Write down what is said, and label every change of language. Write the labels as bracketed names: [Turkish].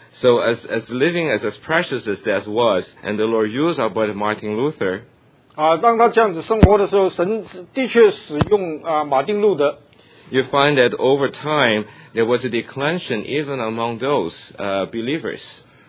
[English] So as living as precious as that was, and the Lord used our brother Martin Luther. [Chinese] 当他这样子生活的时候，神的确使用马丁路德。 [English] You find that over time there was a declension even among those believers.